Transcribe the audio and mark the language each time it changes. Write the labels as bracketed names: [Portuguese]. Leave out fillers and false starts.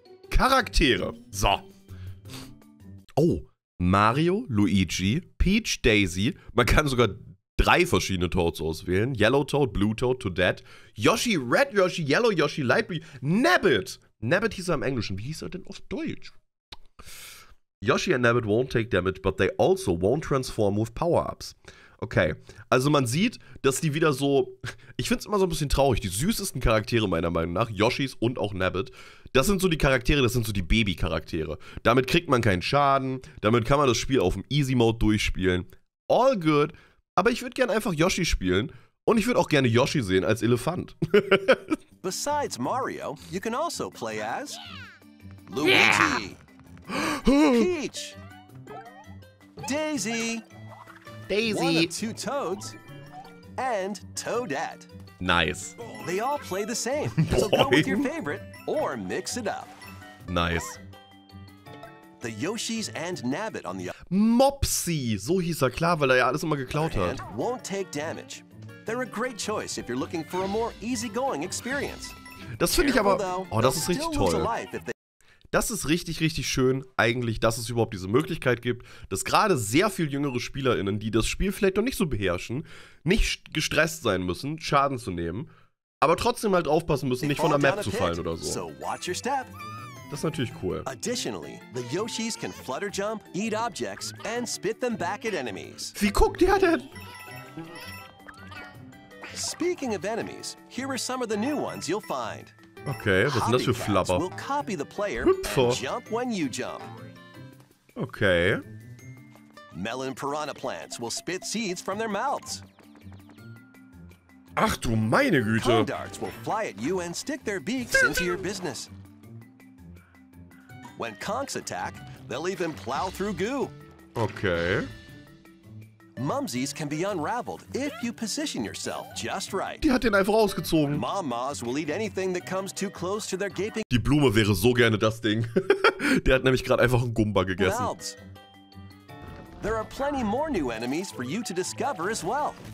[German] Charaktere. So. Oh. Mario, Luigi, Peach, Daisy, man kann sogar drei verschiedene Toads auswählen. [English] Yellow Toad, Blue Toad, Toadette, Yoshi, Red Yoshi, Yellow Yoshi, Light Blue, Nabbit. [German] Nabbit hieß er im Englischen, wie hieß er denn auf Deutsch? [English] Yoshi and Nabbit won't take damage, but they also won't transform with power-ups. [German] Okay, also man sieht, dass die wieder so, ich find's immer so ein bisschen traurig, die süßesten Charaktere meiner Meinung nach, Yoshis und auch Nabbit, das sind so die Charaktere, das sind so die Baby-Charaktere. Damit kriegt man keinen Schaden, damit kann man das Spiel auf dem Easy-Mode durchspielen. [English] All good, [German] aber ich würde gerne einfach Yoshi spielen und ich würde auch gerne Yoshi sehen als Elefant. [English] Besides Mario, you can also play as Luigi, yeah. Peach, Daisy. Daisy. One of two toads and Toadette. Nice. They all play the same. So go with your favorite or mix it up. Nice. The Yoshis and Nabbit on the [German] Mopsy, so hieß er, klar, weil er ja alles immer geklaut hat. [English] And won't take damage. They're a great choice if you're looking for a more easygoing experience. [German] Das finde ich aber, oh, das ist richtig toll. Das ist richtig, richtig schön eigentlich, dass es überhaupt diese Möglichkeit gibt, dass gerade sehr viel jüngere SpielerInnen, die das Spiel vielleicht noch nicht so beherrschen, nicht gestresst sein müssen, Schaden zu nehmen, aber trotzdem halt aufpassen müssen, nicht von der Map zu fallen oder so. Das ist natürlich cool. [English] Additionally, the Yoshis can flutter jump, eat objects and spit them back at enemies. [German] Wie guckt der denn? [English] Speaking of enemies, here are some of the new ones you'll find. [German] Okay, was sind das für Flabber? [English] Hüpfer. Jump when you jump. Okay. Melon piranha plants will spit seeds from their mouths. [German] Ach du meine Güte. [English] Condarts will fly at you and stick their beaks into your business. When conks attack, they'll even plow through goo. Okay. Mumsies can be unraveled if you position yourself just right. [German] Die hat den einfach rausgezogen. [English] Mamas will eat anything that comes too close to their gaping. [German] Die Blume wäre so gerne das Ding. Der hat nämlich gerade einfach einen Goomba gegessen. [English] There are plenty more new enemies for you to discover as well.